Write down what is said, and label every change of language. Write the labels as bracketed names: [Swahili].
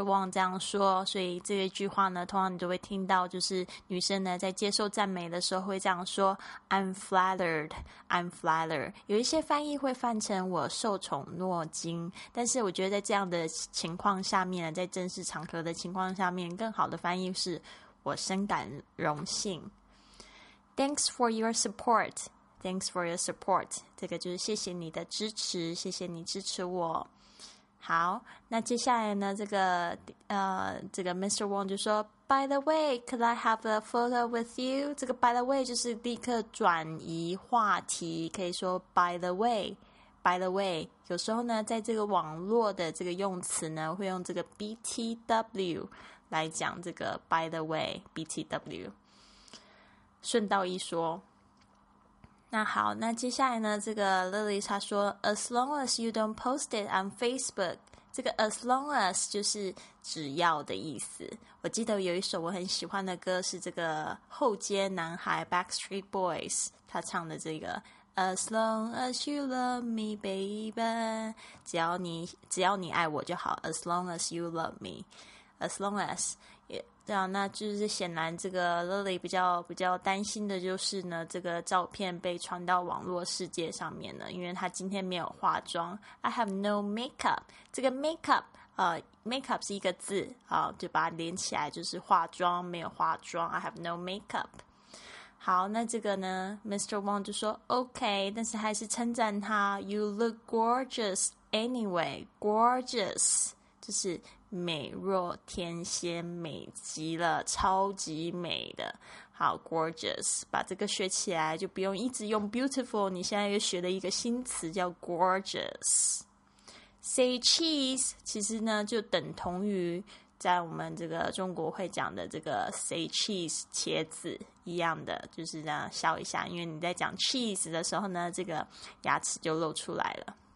[Chinese] Wong 这样说，所以这一句话呢，通常你就会听到就是女生呢在接受赞美的时候会这样说 [English] I'm flattered， I'm flattered， [Chinese] 有一些翻译会翻成我受宠若惊，但是我觉得在这样的情况下面，在正式场合的情况下面，更好的翻译是我深感荣幸。 [English] Thanks for your support. Thanks for your support. [Chinese] 这个就是谢谢你的支持，谢谢你支持我。好，那接下来呢，这个 Mr. [English] Wong [Chinese] 就说 [English] By the way, could I have a photo with you? [Chinese] 这个 [English] by the way [Chinese] 就是立刻转移话题，可以说 by the way。 [English] By the way， [Chinese] 有时候呢，在这个网络的这个用词呢，会用这个 BTW 来讲这个 by the way， BTW。顺道一说。那好，那接下来呢，这个 Lily 她说 [English] As long as you don't post it on Facebook， [Chinese] 这个 as long as 就是只要的意思。我记得有一首我很喜欢的歌是这个后街男孩 Backstreet Boys 他唱的这个 [English] As long as you love me baby， [Chinese] 只要你爱我就好， [English] As long as you love me， [Chinese] As long as、yeah. 对啊，那就是显然这个 Lily 比较担心的就是呢，这个照片被传到网络世界上面了，因为她今天没有化妆。 [English] I have no makeup。 [Chinese] 这个 makeup 是一个字啊，就把它连起来就是化妆，没有化妆。 [English] I have no makeup。 [Chinese] 好，那这个呢 [English] ，Mr. [Chinese] Wong 就说 OK， 但是还是称赞她 ， [English] You look gorgeous anyway， [Chinese] gorgeous 就是。美若天仙，美极了，超级美的。好 gorgeous， 把这个学起来就不用一直用 beautiful， 你现在又学了一个新词叫 gorgeous。 [English] Say cheese [Chinese] 其实呢就等同于在我们这个中国会讲的这个 say cheese 茄子一样的，就是这样笑一下，因为你在讲 cheese 的时候呢，这个牙齿就露出来了。